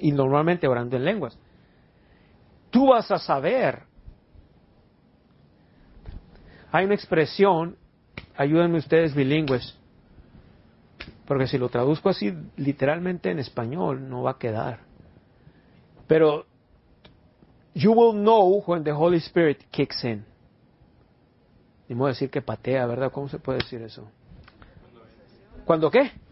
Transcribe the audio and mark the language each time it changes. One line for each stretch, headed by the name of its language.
Spanish: Y normalmente orando en lenguas. Tú vas a saber. Hay una expresión, ayúdenme ustedes bilingües, porque si lo traduzco así literalmente en español no va a quedar. Pero,
English: you will know when the Holy Spirit kicks in.
Spanish: Ni modo de decir que patea, ¿verdad? ¿Cómo se puede decir eso? ¿Cuándo qué?